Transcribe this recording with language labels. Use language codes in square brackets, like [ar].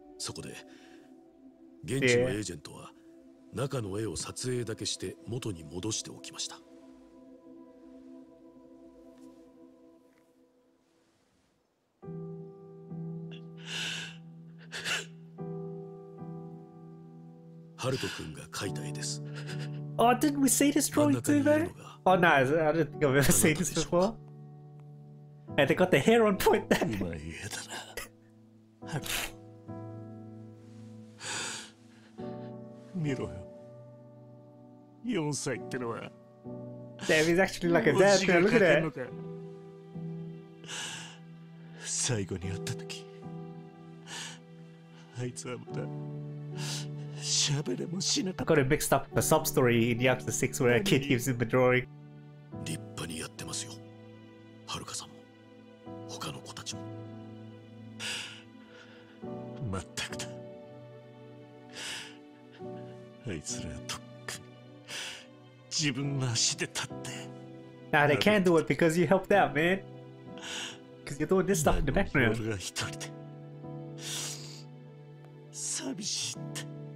[ja] そこで現地のエージェントは中の絵を撮影だけして元に戻しておきました。ハルト君が描いた絵です。 [en] Oh, didn't we see this drawing too, though? Oh, no, I don't think I've ever seen this before. And they got the hair on point then. [ja] 今言えたな。ハルト。見ろよ。4歳ってのは。 [en] Damn, he's actually like a dad. Look at it. [ja] 最後に会った時、あいつはまだ。 [en] I got it mixed up with the sub story in Yakuza 6 where a kid gives him a drawing. [ja] 立派にやってますよ。はるかさんも、他の子たちも。まったくだ。あいつらはとっくに自分の足で立って。 [en] Now they can do it because you helped out, man. Because you're doing this stuff in the background. [ja] 俺が一人で寂しいって。